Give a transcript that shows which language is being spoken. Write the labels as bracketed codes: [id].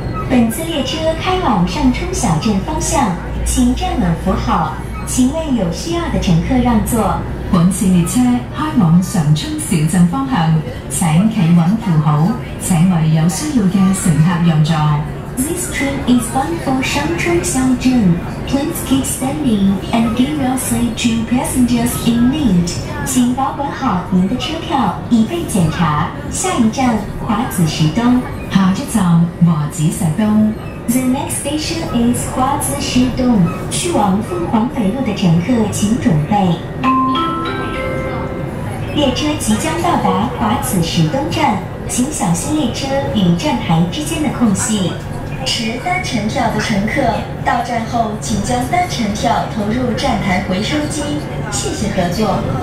[zh] 本次列车开往上冲小镇方向，请站稳扶好，请为有需要的乘客让座。本次列车开往上冲小镇方向，请企稳扶好，请为有需要的乘客让座。 [en] This train is bound for Shangchun Xiaozhen. Please keep standing and give your seat to passengers in need. [zh] 请保管好您的车票，以备检查。下一站华子石东。下一站华子石东。 [en] The next station is 华子石东。 [zh] 去往凤凰北路的乘客请准备。列车即将到达华子石东站，请小心列车与站台之间的空隙。持单程票的乘客到站后，请将单程票投入站台回收机，谢谢合作。